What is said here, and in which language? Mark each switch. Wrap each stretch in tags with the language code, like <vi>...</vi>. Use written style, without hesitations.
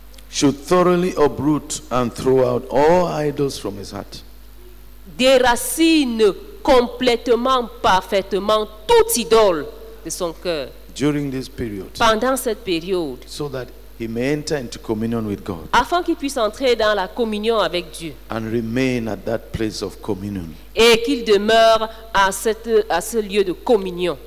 <en>should thoroughly uproot and throw out all idols from his heart.</en> <fr>Déracine complètement, parfaitement toute idole de son cœur.</fr> <en>During this period.</en> <fr>Pendant cette période.</fr> <en>So that he may enter into communion with God.</en> <fr>Afin qu'il puisse entrer dans la communion avec Dieu.</fr> <en>And remain at that place of communion.</en> <fr>Et qu'il demeure à ce lieu de communion.</fr>